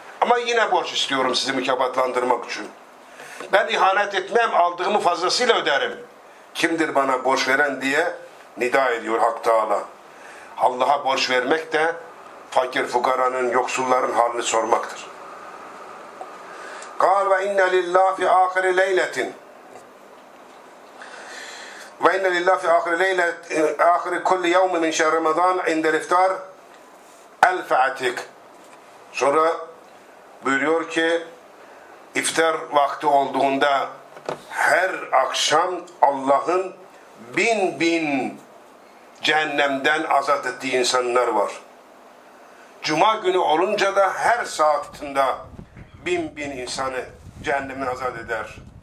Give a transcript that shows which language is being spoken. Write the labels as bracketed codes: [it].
[tr] Ama yine borç istiyorum sizi mükafatlandırmak için. Ben ihanet etmem, aldığımı fazlasıyla öderim. Kimdir bana borç veren diye nida ediyor Hak Teala. Allah'a borç vermek de fakir fukaranın, yoksulların halini sormaktır. [ar] قال وإن لله في آخر ليلة وإن لله في آخر ليلة آخر كل يوم من شهر رمضان عند الإفطار ألف عتيق. [tr] Sonra buyuruyor ki iftar vakti olduğunda her akşam Allah'ın bin bin cehennemden azat ettiği insanlar var. Cuma günü olunca da her saatinde bin bin insanı cehennemden azat eder.